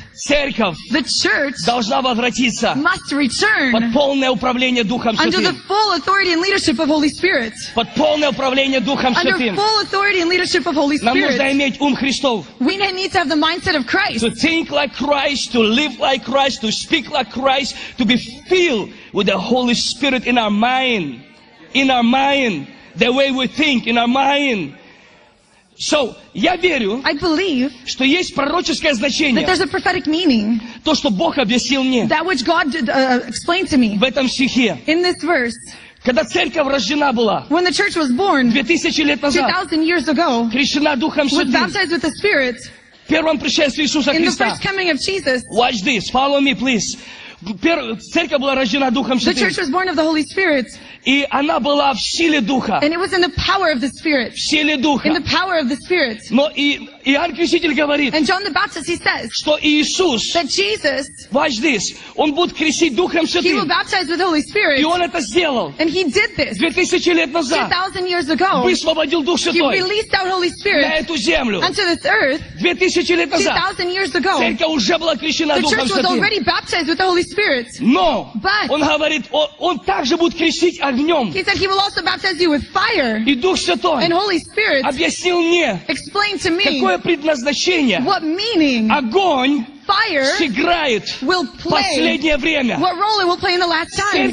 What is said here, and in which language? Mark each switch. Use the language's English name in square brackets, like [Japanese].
[Russian] Церковь должна возвратиться под полное управление Духом Святым. [English] Under the full authority and leadership of Holy Spirit. [Russian] Под полное управление Духом Святым. [English] Under full authority and leadership of Holy Spirit. [Russian] Нам нужно иметь ум Христов. [English] We need to have the mindset of Christ. To think like Christ, to live like Christ, to speak like Christ, to be filled with the Holy Spirit in our mind. In our mind. The way we think in our mind. [Russian] So, я верю, [English] I believe, [Russian] что есть пророческое значение. [English] That there's a prophetic meaning. [Russian] То, что Бог объяснил мне. [English] That which God explained to me. [Russian] В этом стихе. [English] In this verse. [Russian] Когда церковь рождена была. [English] When the church was born. [Russian] 2000 лет назад. [English] 2000 years ago. [Russian] Крещена Духом Святым. [English] Was baptized with the Spirit. [Russian] В первом пришествии Иисуса Христа. [English] In the first coming of Jesus. Watch this. Follow me, please. [Russian] Церковь была рождена Духом Святым. [English] The church was born of the Holy Spirit. [Russian] И она была в силе Духа. [English] And it was in the power of the Spirit. [Russian] В силе Духа. [English] In the power of the Spirit. [Russian] Но и Иоанн Креститель говорит. [English] And John the Baptist, he says. [Russian] Что Иисус. [English] That Jesus. Watch this. [Russian] Он будет крестить Духом Святым. [English] He will baptize with the Holy Spirit. [Russian] И он это сделал. [English] And he did this. [Russian] 2000 лет назад. [English] 2000 years ago. [Russian] Высвободил Дух Святой. [English] He released out Holy Spirit. [Russian] На эту землю. [English] Onto this earth. [Russian] 2000 лет назад. [English] 2000 years ago. [Russian] Церковь уже была крещена Духом Святым. [English] The church was already baptized with the Holy Spirit. [Russian] Но. [English] But. [Russian] Он говорит, он также будет крестить огнем. [English] He said he will also baptize you with fire. [Russian] И Дух Святой. [English] And Holy Spirit. [Russian] Объяснил мне. [English] Explained to me. [Russian] Какое предназначение? [English] What meaning? [Russian] Огонь. [English] Fire. [Russian] Сыграет. [English] Will play. [Russian] Последнее время. [English] What role it will play in the last time?